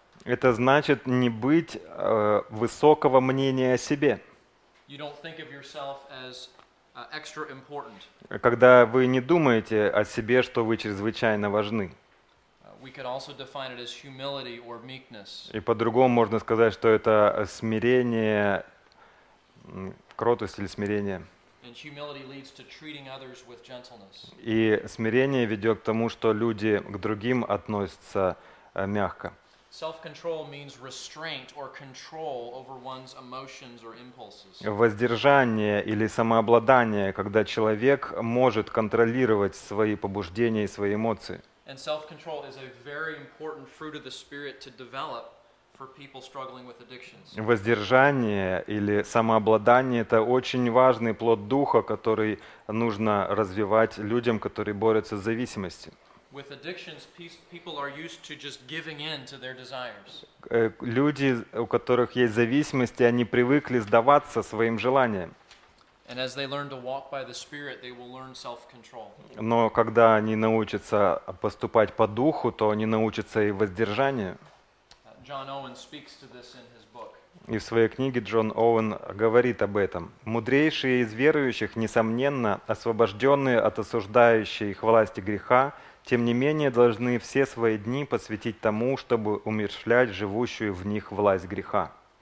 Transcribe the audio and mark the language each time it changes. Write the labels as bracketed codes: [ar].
[ru] Это значит не быть высокого мнения о себе. [en] You don't think of yourself as extra important. [ru] Когда вы не думаете о себе, что вы чрезвычайно важны. [en] We could also define it as humility or meekness. [ru] И по-другому можно сказать, что это смирение, кротость или смирение. [en] And humility leads to treating others with gentleness. [ru] И смирение ведет к тому, что люди к другим относятся мягко. [en] Self-control means restraint or control over one's emotions or impulses. [ru] Воздержание или самообладание, когда человек может контролировать свои побуждения и свои эмоции. [en] And self-control is a very important fruit of the Spirit to develop for people struggling with addictions. [ru] Воздержание или самообладание – это очень важный плод Духа, который нужно развивать людям, которые борются с зависимостью. [en] With addictions, people are used to just giving in to their desires. [ru] Люди, у которых есть зависимости, они привыкли сдаваться своим желаниям. [en] And as they learn to walk by the Spirit, they will learn self-control. [ru] Но когда они научатся поступать по духу, то они научатся и воздержанию. [en] John Owen speaks to this in his book. [ru] И в своей книге Джон Оуэн говорит об этом. Мудрейшие из верующих, несомненно, освобожденные от осуждающей их власти греха, тем не менее, должны все свои дни посвятить тому, чтобы умерщвлять живущую в них власть греха.